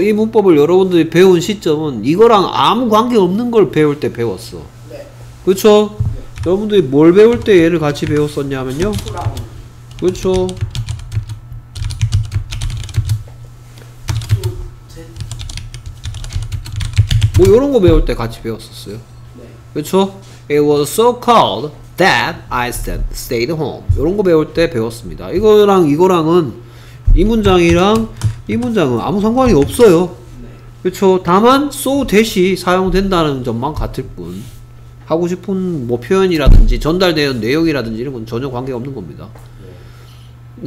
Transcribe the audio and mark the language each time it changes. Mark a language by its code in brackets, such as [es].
[ko] 이 문법을 여러분들이 배운 시점은 이거랑 아무 관계없는 걸 배울 때 배웠어. 그렇죠? 여러분들이 뭘 배울 때 얘를 같이 배웠었냐면요. 그쵸. 뭐 요런 거 배울 때 같이 배웠었어요. 그쵸. [en] It was so cold that I stayed home. [ko] 요런 거 배울 때 배웠습니다. 이거랑 이거랑은 이 문장이랑 이 문장은 아무 상관이 없어요. 그쵸. 다만 so that이 사용된다는 점만 같을 뿐. 하고 싶은 뭐 표현이라든지 전달되는 내용이라든지 이런 건 전혀 관계없는 겁니다. 네.